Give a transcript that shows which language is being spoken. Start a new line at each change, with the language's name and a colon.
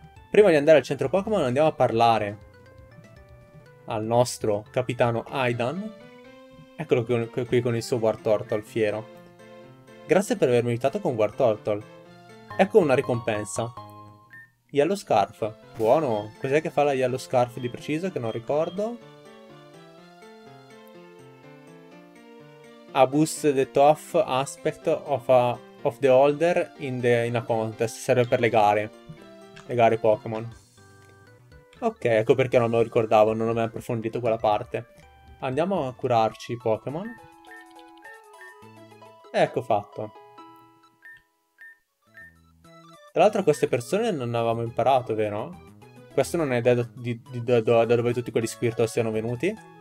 Italian: Prima di andare al centro Pokémon andiamo a parlare al nostro capitano Aidan. Eccolo qui con il suo Wartortle fiero. Grazie per avermi aiutato con Wartortle. Ecco una ricompensa. Yellow Scarf. Buono. Cos'è che fa la Yellow Scarf di preciso? Che non ricordo.
English: boost the tough aspect of the holder in a contest.
Italian: Serve per le gare. Le gare Pokémon. Ok, ecco perché non me lo ricordavo, non ho mai approfondito quella parte. Andiamo a curarci i Pokémon. Ecco fatto. Tra l'altro queste persone non avevamo imparato, vero? Questo non è da dove tutti quegli Squirtle siano venuti.